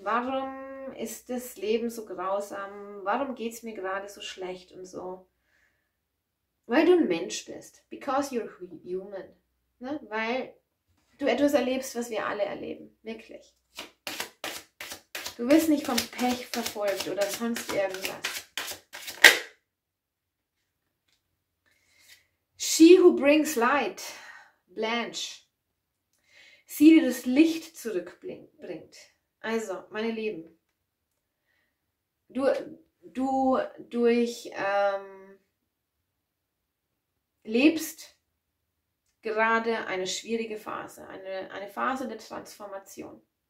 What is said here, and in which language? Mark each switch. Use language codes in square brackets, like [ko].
[de] Warum ist das Leben so grausam? Warum geht es mir gerade so schlecht und so? Weil du ein Mensch bist. [en] Because you're human. [de] Ne? Weil du etwas erlebst, was wir alle erleben, wirklich. Du wirst nicht vom Pech verfolgt oder sonst irgendwas. [en] She who brings light, Blanche. [de] Sie, die das Licht zurückbringt. Also, meine Lieben, du durch lebst gerade eine schwierige Phase, eine Phase der Transformation.